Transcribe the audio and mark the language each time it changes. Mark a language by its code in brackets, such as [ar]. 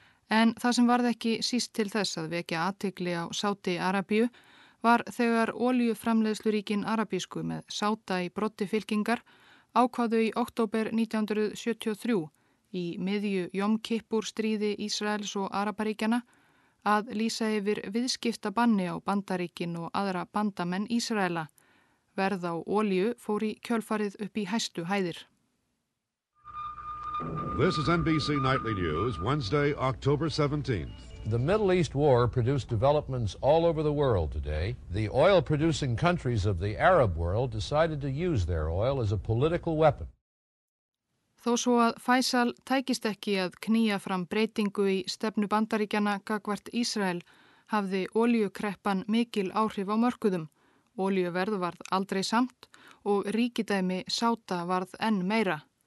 [is] En það sem varð ekki síst til þess að vekja athygli á Sádi-Arabíu var þegar olíuframleiðsluríkin arabísku með Sáda í broddi fylkingar ákváðu í október 1973 í miðju Jom Kippur stríði Ísraels og Araparíkjana að lýsa yfir viðskipta banni á bandaríkin og aðra bandamenn Ísraela. Verð á olíu fór í kjölfarið upp í hæstu hæðir. [en] This is NBC Nightly News, Wednesday, October 17th. The Middle East war produced developments all over the world today. The oil-producing countries of the Arab world decided to use their oil as a political weapon. [is] Þó svo að Faisal tækist ekki að knýja fram breytingu í stefnu bandaríkjana gagnvart Ísrael hafði olíukreppan mikil áhrif á mörkuðum, olíuverð varð aldrei samt og ríkidæmi Sáda varð enn meira.